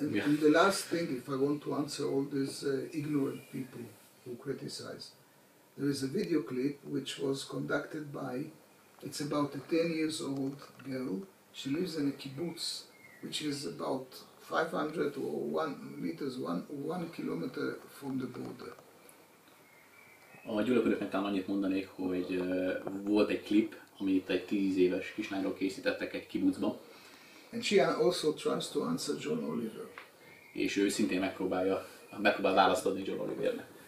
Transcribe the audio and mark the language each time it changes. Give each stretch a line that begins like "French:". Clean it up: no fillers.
English: And the last thing, if I want to answer all these ignorant people who criticize, there is a video clip which was conducted by, it's about a 10 years old girl, she lives in a kibbutz, which is about 500 or 1 meter, one kilometer from the border.
Hungarian: A gyülekezőknek talán annyit mondanék, hogy volt egy klip, amit egy 10 éves kislányról készítettek egy kibucba.
English: And she also tries to answer John Oliver.
Hungarian: És ő szintén megpróbál választ adni John Oliver-nek.